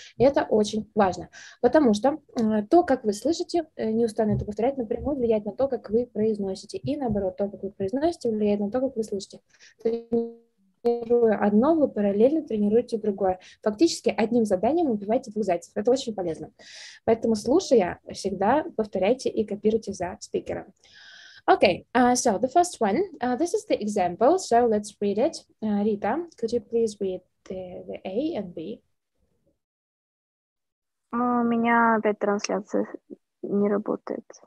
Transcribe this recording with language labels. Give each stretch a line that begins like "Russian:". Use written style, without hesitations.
Russian: Это очень важно, потому что то, как вы слышите, не устану это повторять, напрямую влияет на то, как вы произносите, и наоборот, то, как вы произносите, влияет на то, как вы слышите. Тренируя одно, вы параллельно тренируете другое. Фактически одним заданием убиваете двух зайцев. Это очень полезно. Поэтому, слушая, всегда повторяйте и копируйте за спикером.
English: Okay, so the first one. This is the example, so let's read it. Rita, could you please read the A and B?
Russian: У меня опять трансляция не работает.